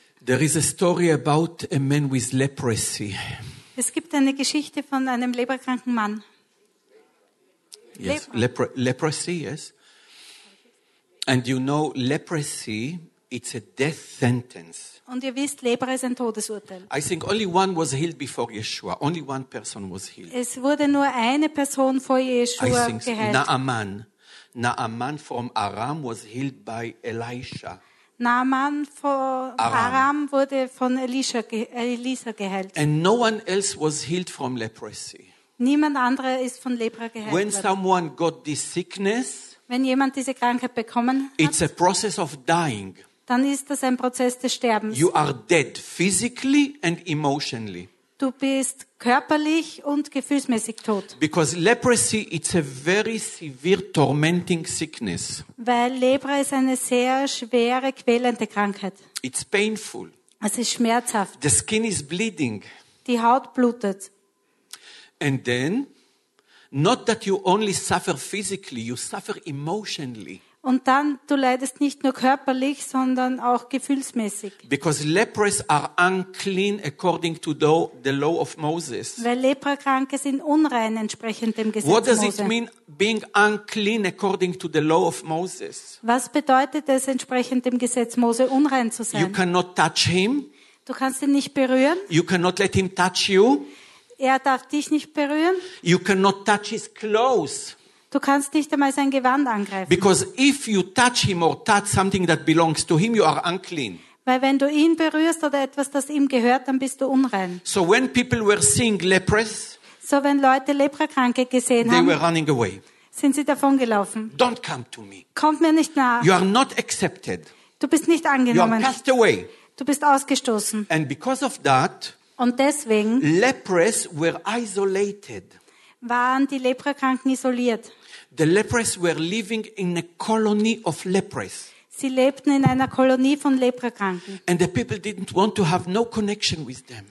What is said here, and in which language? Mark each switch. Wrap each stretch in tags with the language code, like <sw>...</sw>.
<en>There is a story about a man with leprosy.</en> <de>Es gibt eine Geschichte von einem leprakranken Mann.</de> <en>Yes, leprosy, yes. And you know, leprosy, it's a death sentence.</en> <de>Und ihr wisst, Lepra ist ein Todesurteil.</de> <en>I think only one was healed before Yeshua. Only one person was healed.</en> <de>Es wurde nur eine Person vor Yeshua geheilt.</de> <en>I think so. Naaman. Naaman from Aram was healed by Elisha.</en> <de>Naaman von Aram wurde von Elisha geheilt.</de> <en>And no one else was healed from leprosy.</en> <de>Niemand anderer ist von Lepra geheilt.</de> <en>When someone got this sickness,</en> <de>wenn jemand diese Krankheit bekommen hat,</de> <en>it's a process of dying.</en> <de>Dann ist das ein Prozess des Sterbens.</de> <en>You are dead physically and emotionally.</en> <de>Du bist körperlich und gefühlsmäßig tot.</de> <en>Because leprosy, it's a very severe tormenting sickness.</en> <de>Weil Lepra ist eine sehr schwere, quälende Krankheit.</de> <en>It's painful.</en> <de>Es ist schmerzhaft.</de> <en>The skin is bleeding.</en> <de>Die Haut blutet.</de> <en>And then, not that you only suffer physically, you suffer emotionally.</en> <de>Und dann, du leidest nicht nur körperlich, sondern auch gefühlsmäßig.</de> <en>Because lepers are unclean according to the law of Moses.</en> <de>Weil Leprakranke sind unrein entsprechend dem Gesetz Moses.</de> <en>does it mean being unclean according to the law of Moses?</en> <de>Was bedeutet es entsprechend dem Gesetz Mose unrein zu sein?</de> <en>You cannot touch him.</en> <de>Du kannst ihn nicht berühren.</de> <en>You cannot let him touch you.</en> <de>Er darf dich nicht berühren.</de> <en>You cannot touch his clothes.</en> <de>Du kannst nicht einmal sein Gewand angreifen.</de> <en>Because if you touch him or touch something that belongs to him, you are unclean.</en> <de>Weil wenn du ihn berührst oder etwas, das ihm gehört, dann bist du unrein.</de> <en>So when people were seeing lepers,</en> <de>so wenn Leute Leprakranke gesehen</de> <en>they</en> <de>haben,</de> <en>were running away.</en> <de>Sind sie davon gelaufen.</de> <en>Don't come to me.</en> <de>Kommt mir nicht nah.</de> <en>You are not accepted.</en> <de>Du bist nicht angenommen.</de> <en>You are cast away.</en> <de>Du bist ausgestoßen.</de> <en>And because of that,</en> <de>und deswegen,</de> <en>lepers were isolated.</en> <de>Waren die Leprakranken isoliert?</de> <en>The lepers were living in a colony of lepers.</en> <de>Sie lebten in einer Kolonie von Leprakranken.</de> <en>And the people didn't want to have no connection with them.</en>